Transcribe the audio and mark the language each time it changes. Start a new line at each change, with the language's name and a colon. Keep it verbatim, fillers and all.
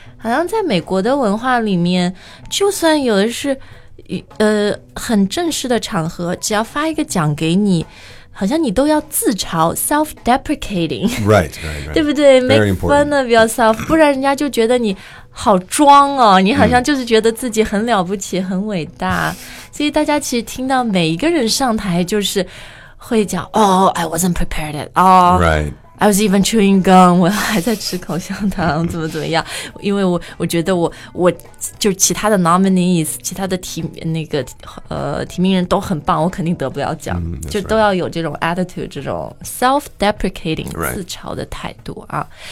Chinese: 好像在美国的文化里面，就算有的是呃很正式的场合，只要发一个奖给你，好像你都要自嘲 self-deprecating。
English: Right, right, right。
Chinese: 对不对
English: ？Make fun of yourself，
Chinese: 不然人家就觉得你好装哦，你好像就是觉得自己很了不起、很伟大。所以大家其实听到每一个人上台就是。会讲
English: Oh, I wasn't prepared at all. Right. I was even chewing gum.
Chinese: 我还在吃口香糖，怎么怎么样？因为我我觉得我我就其他的 nominees， 其他的提那个呃提名人都很棒，我肯定得不了奖， mm, 就都要有这种 attitude， 这种 self-deprecating、
English: right.
Chinese: 自嘲的态度啊。